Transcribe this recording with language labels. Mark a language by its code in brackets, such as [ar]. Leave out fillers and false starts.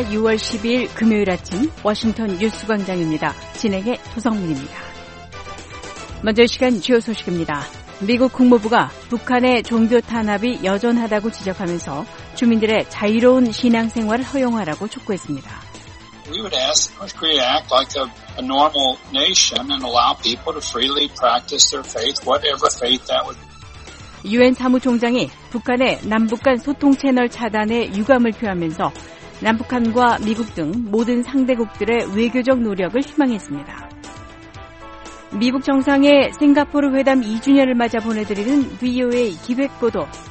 [ko] 6월 12일 금요일 아침 워싱턴 뉴스 광장입니다. 진행의 조성민입니다. 먼저 시간 주요 소식입니다. 미국 국무부가 북한의 종교 탄압이 여전하다고 지적하면서 주민들의 자유로운 신앙생활을 허용하라고 촉구했습니다. [en] We would ask North Korea to act like a normal nation and allow people to freely practice their faith, whatever faith that would be. [ko] 유엔 사무총장이 북한의 남북 간 소통 채널 차단에 유감을 표하면서 남북한과 미국 등 모든 상대국들의 외교적 노력을 희망했습니다. 미국 정상의 싱가포르 회담 2주년을 맞아 보내드리는 VOA 기획 보도.